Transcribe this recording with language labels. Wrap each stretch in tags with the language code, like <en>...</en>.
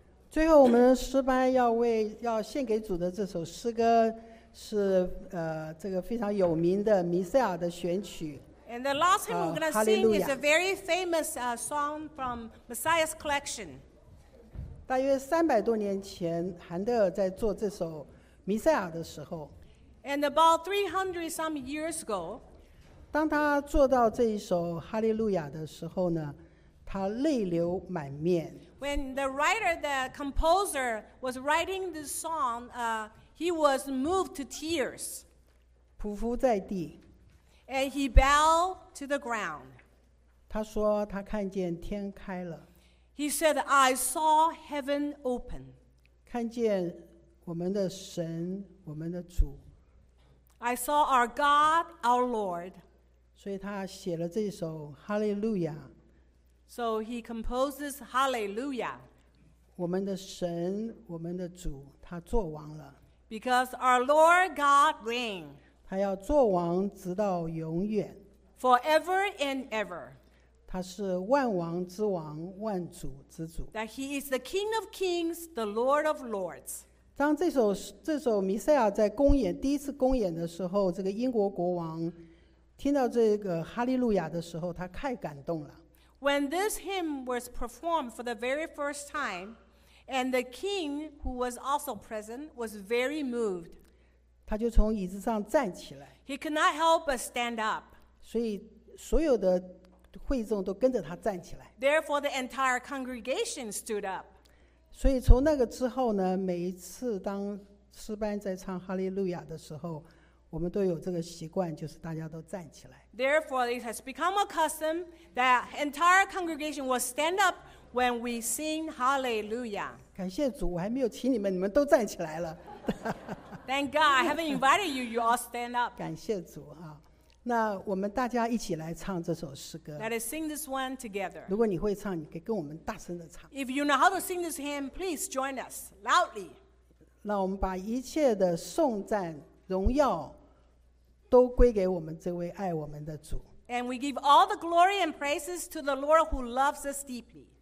<zh>最后我们诗班要为要献给主的这首诗歌是这个非常有名的弥赛亚的选曲</zh> <en>And the last hymn we're going to sing is a very famous song from Messiah's collection.</en> <zh>大约300多年前，韩德尔在做这首弥赛亚的时候。</zh> <en>And about 300 some years ago,</en> <zh>当他做到这一首哈利路亚的时候呢，他泪流满面。</zh> <en>When the writer, the composer was writing this song, he was moved to tears.</en> <zh>匍匐在地。</zh> <en>And he bowed to the ground.</en> <zh>他说他看见天开了。</zh> <en>He said, I saw heaven open.</en> <zh>看见我们的神，我们的主。</zh> <en>I saw our God, our Lord.</en> <zh>所以他写了这首 Hallelujah。</zh> <en>So he composes Hallelujah.</en> <zh>我们的神，我们的主，他作王了。</zh> <en>Because our Lord God reigns.</en> <zh>他要作王直到永远。</zh> <en>Forever and ever.</en> <zh>他是万王之王，万主之主。</zh> <en>That he is the King of Kings, the Lord of Lords.</en> <zh>当这首弥赛亚在公演第一次公演的时候，这个英国国王听到这个哈利路亚的时候，他太感动了。</zh> <en>When this hymn was performed for the very first time, and the king, who was also present, was very moved.</en> <zh>他就从椅子上站起来。</zh> <en>He could not help but stand up.</en> <zh>所以所有的会众都跟着他站起来。</zh> <en>Therefore, the entire congregation stood up.</en> <zh>所以从那个之后呢，每一次当诗班在唱哈利路亚的时候，我们都有这个习惯，就是大家都站起来。</zh> <en>Therefore, it has become a custom that entire congregation will stand up when we sing Hallelujah.</en> <zh>感谢主，我还没有请你们，你们都站起来了。</zh> <en>Thank God, I haven't invited you. You all stand up.</en> <zh>感谢主啊！那我们大家一起来唱这首诗歌。</zh> <en>Let us sing this one together.</en> <zh>如果你会唱，你可以跟我们大声的唱。</zh> <en>If you know how to sing this hymn, please join us loudly.</en> <zh>让我们把一切的颂赞、荣耀。都归给我们这位爱我们的主。</zh> <en>And we give all the glory and praises to the Lord who loves us deeply.</en>